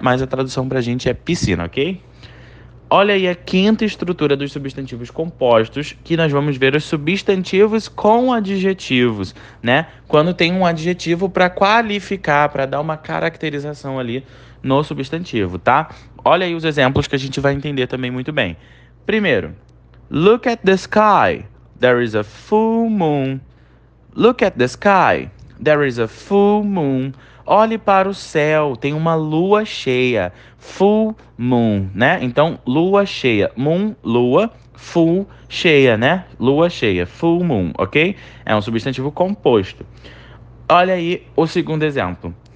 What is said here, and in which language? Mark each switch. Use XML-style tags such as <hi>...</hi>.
<pt>Mas a tradução pra gente é piscina, ok? Olha aí a quinta estrutura dos substantivos compostos, que nós vamos ver os substantivos com adjetivos, né? Quando tem um adjetivo para qualificar, para dar uma caracterização ali no substantivo, tá? Olha aí os exemplos que a gente vai entender também muito bem. Primeiro,</pt> <en>look at the sky, there is a full moon. Look at the sky, there is a full moon.</en> <pt>Olhe para o céu, tem uma lua cheia. Full moon, né? Então, lua cheia. Moon, lua. Full, cheia, né? Lua cheia. Full moon, ok? É um substantivo composto. Olha aí o segundo exemplo.</pt>